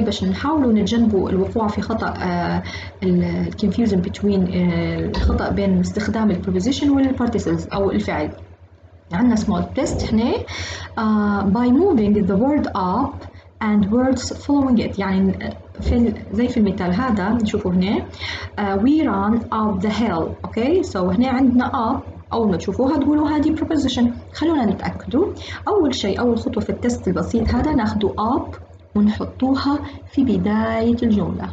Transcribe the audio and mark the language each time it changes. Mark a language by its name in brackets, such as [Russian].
[Arabic] باش نحاولوا نتجنبوا الوقوع في خطأ [English] confusion between [Arabic] الخطأ بين استخدام preposition والparticles أو الفعل. عنا small test هنا. [English] By moving the word up and words following it. [Arabic] يعني زي في المثال هذا نشوفه هنا. [English] we run up the hill. [Arabic] okay، so هنا عندنا up أول ما تشوفوها تقولوا هذه preposition. خلونا نتأكدوا. أول شيء أول خطوة في التست البسيط هذا ناخدوا up ونحطوها في بداية الجملة.